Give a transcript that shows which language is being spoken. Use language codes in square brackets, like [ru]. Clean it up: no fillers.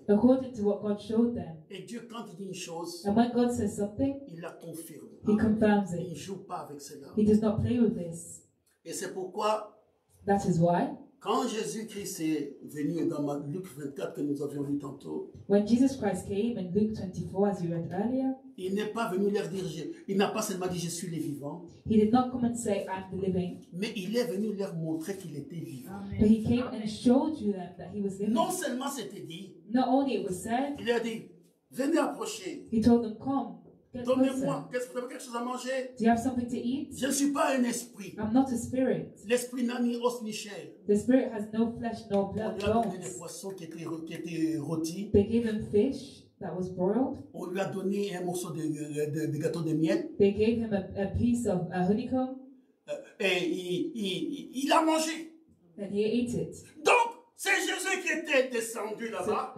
[en] According to what God showed them. [fr] Et Dieu quand il dit une chose. [en] And when God says something. [fr] Il la confirme. [en] He confirms it. [fr] Et il joue pas avec cela. [en] He does not play with this. [fr] Et c'est pourquoi. [en] That is why. [fr] Quand Jésus-Christ est venu dans Luc 24 que nous avions vu tantôt. [en] When Jesus Christ came in Luke 24 as you read earlier. [fr] Il n'est pas venu leur dire, il n'a pas seulement dit je suis le vivant. [en] He did not come and say I'm the living. [fr] Mais il est venu leur montrer qu'il était vivant. Amen. [en] But he came and showed you that he was living. [fr] Non seulement c'était dit. [en] Not only it was said. [fr] Il leur a dit, venez approcher. [en] He told them come. [fr] Donnez-moi, qu'est-ce que vous avez quelque chose à manger? [en] Do you have something to eat? [fr] Je ne suis pas un esprit. [en] I'm not a spirit. [fr] L'esprit n'a ni os ni chair. [en] The spirit has no flesh nor blood. [fr] On lui a donné des poissons qui étaient rôtis. [en] They gave him fish that was broiled. [fr] On lui a donné un morceau de gâteau de miel. [en] They gave him a piece of a honeycomb. [fr] Et il a mangé. [en] And he ate it. [fr] Donc c'est Jésus qui était descendu là-bas.